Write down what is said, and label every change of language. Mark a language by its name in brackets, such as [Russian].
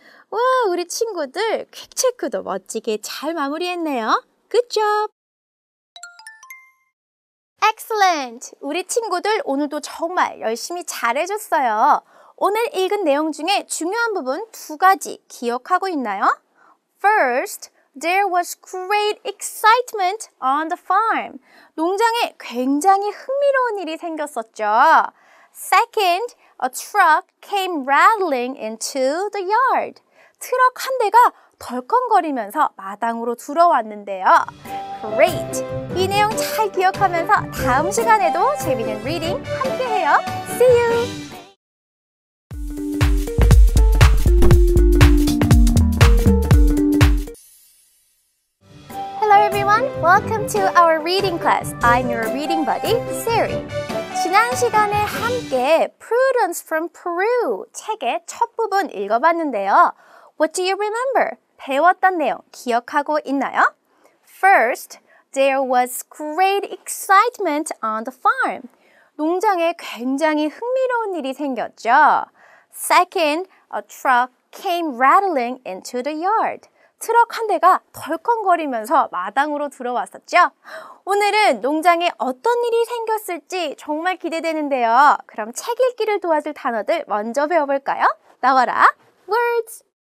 [Korean] 와, 우리 친구들 퀵체크도 멋지게 잘 마무리했네요. [English] Good job! Excellent! [Korean] 우리 친구들 오늘도 정말 열심히 잘해줬어요. 오늘 읽은 내용 중에 중요한 부분 두 가지 기억하고 있나요? [English] First, there was great excitement on the farm. [Korean] 농장에 굉장히 흥미로운 일이 생겼었죠. [English] Second, a truck came rattling into the yard. [Korean] 트럭 한 대가 덜컹거리면서 마당으로 들어왔는데요. [English] Great! [Korean] 이 내용 잘 기억하면서 다음 시간에도 재미있는 리딩 함께해요. [English] See you! Hello everyone! Welcome to our reading class. I'm your reading buddy, Siri. [Korean] 지난 시간에 함께 Prudence from Peru 책의 첫 부분 읽어봤는데요. [English] What do you remember? [Korean] 배웠던 내용 기억하고 있나요? [English] First, there was great excitement on the farm. [Korean] 농장에 굉장히 흥미로운 일이 생겼죠. [English] Second, a truck came rattling into the yard. [Korean] 트럭 한 대가 덜컹거리면서 마당으로 들어왔었죠. 오늘은 농장에 어떤 일이 생겼을지 정말 기대되는데요. 그럼 책 읽기를 도와줄 단어들 먼저 배워볼까요? 나와라, words!